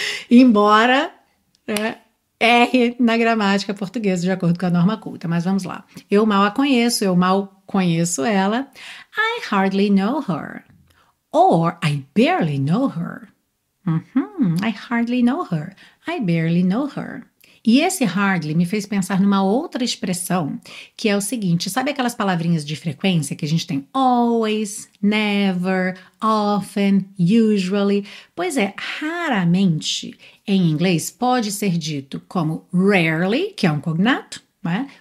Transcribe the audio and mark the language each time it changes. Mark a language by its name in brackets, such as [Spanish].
[Portuguese] Embora, né, erre na gramática portuguesa, de acordo com a norma culta. Mas vamos lá. Eu mal a conheço, eu mal conheço ela. [English] I hardly know her. Or I barely know her. Uhum, I hardly know her. I barely know her. [Portuguese] E esse hardly me fez pensar numa outra expressão, que é o seguinte, sabe aquelas palavrinhas de frequência que a gente tem always, never, often, usually? Pois é, raramente em inglês pode ser dito como rarely, que é um cognato, né?